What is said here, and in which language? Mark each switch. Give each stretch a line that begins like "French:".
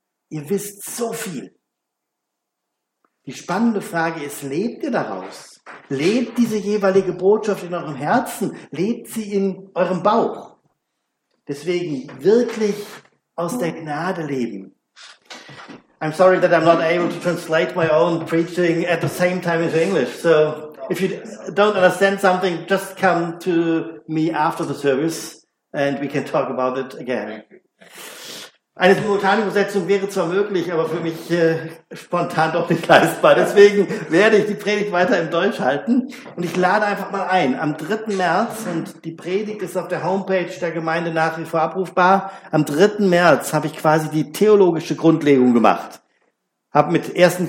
German: Ihr wisst so viel. Die spannende Frage ist, lebt ihr daraus? Lebt diese jeweilige Botschaft in eurem Herzen? Lebt sie in eurem Bauch? Deswegen wirklich aus der Gnade leben.
English: I'm sorry that I'm not able to translate my own preaching at the same time into English. So if you don't understand something, just come to me after the service and we can talk about it again.
German: Eine simultane Übersetzung wäre zwar möglich, aber für mich spontan doch nicht leistbar. Deswegen werde ich die Predigt weiter im Deutsch halten. Und ich lade einfach mal ein, am 3. März, und die Predigt ist auf der Homepage der Gemeinde nach wie vor abrufbar, am 3. März habe ich quasi die theologische Grundlegung gemacht. Habe mit 1.